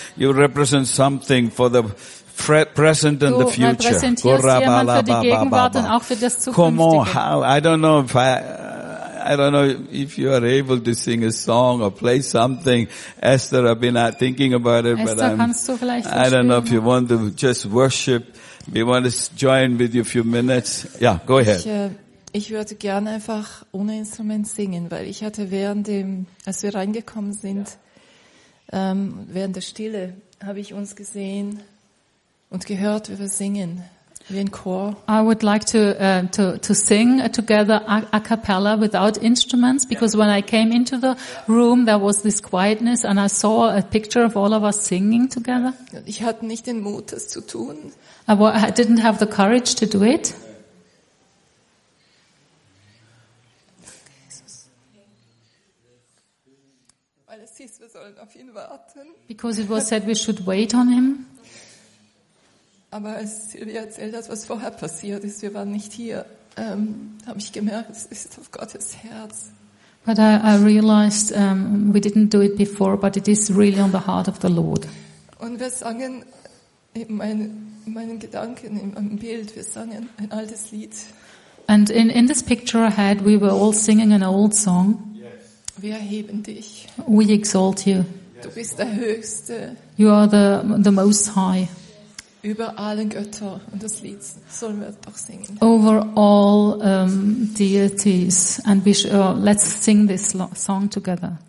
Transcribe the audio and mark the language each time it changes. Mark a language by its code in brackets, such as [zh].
[en] You represent something for the present and the future. [de] Du repräsentierst jemand für die Gegenwart und auch für das Zukünftige. [en] Come on, how? I don't know if you are able to sing a song or play something. Esther, I've been thinking about it, Esther, but I don't know if you want to just worship. We want to join with you a few minutes. Yeah, go ahead. [de] Ich würde gerne einfach ohne Instrument singen, weil ich hatte während dem, als wir reingekommen sind, während der Stille, habe ich uns gesehen und gehört, wie wir singen. [en] I would like to sing together a cappella without instruments because when I came into the room there was this quietness and I saw a picture of all of us singing together. [de] Ich hatte nicht den Mut, das zu tun. [en] I didn't have the courage to do it. Because it was said we should wait on him. [de] Aber als Silvia erzählt hat, was vorher passiert ist, wir waren nicht hier, habe ich gemerkt, es ist auf Gottes Herz. [en] But I realized we didn't do it before, but it is really on the heart of the Lord. [de] Und wir sangen in meinen Gedanken, in meinem Bild, wir sangen ein altes Lied. [en] And in this picture I had, we were all singing an old song. Yes. [de] Wir erheben dich. [en] We exalt you. [de] Du bist der Höchste. [en] You are the most high. [de] Über allen Götter und das Lied sollen wir doch singen. [en] Over all deities and we should, let's sing this song together.